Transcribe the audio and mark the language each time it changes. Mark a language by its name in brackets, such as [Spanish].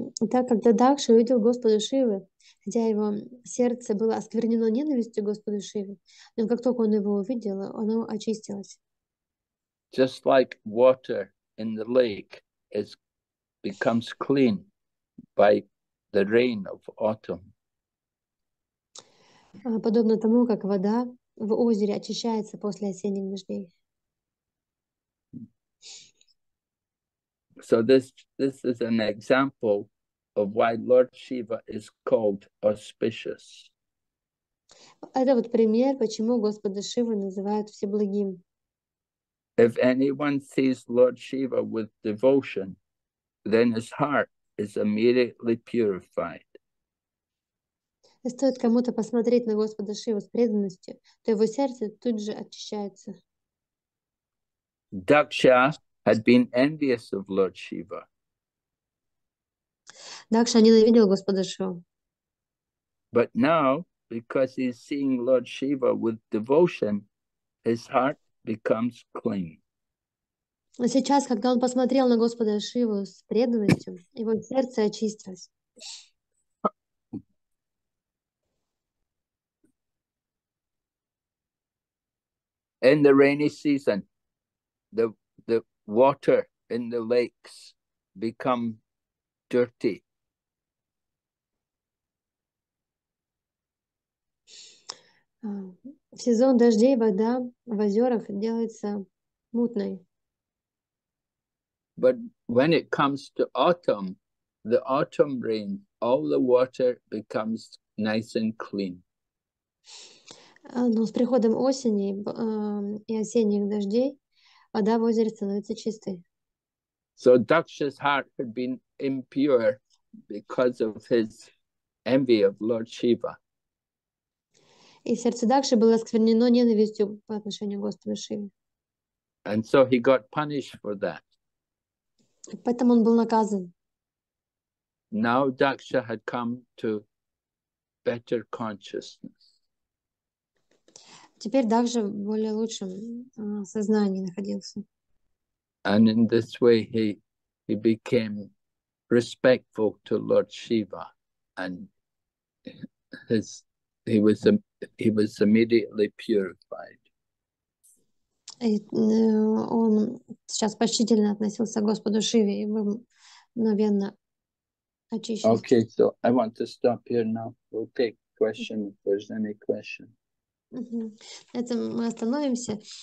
[Russian] Так, когда Дакша увидел Господа Шивы, хотя его сердце было осквернено ненавистью Господа Шивы, но как только он его увидел, оно очистилось. [English] Just like water in the lake is becomes clean by the rain of autumn. [Russian] Подобно тому, как вода в озере очищается после осенних дождей. [English] So this is an example of why Lord Shiva is called auspicious. [Russian] Это вот пример, почему Господа Шиву называют Всеблагим. [English] If anyone sees Lord Shiva with devotion, then his heart is immediately purified. [Russian] Стоит кому-то посмотреть на Господа Шиву с преданностью, то его сердце тут же очищается. [English] Daksha had been envious of Lord Shiva. [Russian] Дакша ненавидел Господа Шиву. [English] But now, because he's seeing Lord Shiva with devotion, his heart becomes clean. [Russian] Но сейчас, когда он посмотрел на Господа Шиву с преданностью, его сердце очистилось. [English] In the rainy season, the water in the lakes become dirty. [Russian] В сезон дождей вода в озерах делается мутной. [English] But when it comes to autumn, the autumn rain, all the water becomes nice and clean. [Russian] Но с приходом осени и осенних дождей вода в озере становится чистой. [English] So Daksha's heart had been impure because of his envy of Lord Shiva. [Russian] И сердце Дакши было осквернено ненавистью по отношению к Господу Шиве. [English] And so he got punished for that. [Russian] Поэтому он был наказан. [English] Now Daksha had come to better consciousness. [Russian] Теперь Дакша в более лучшем сознании находился. [English] And in this way he became respectful to Lord Shiva, and he was immediately purified. [Russian] И, он сейчас почтительно относился к Господу Шиве и был мгновенно очищен. [English] Okay, so I want to stop here now. We'll take questions if there's any question. [Russian] На этом мы остановимся.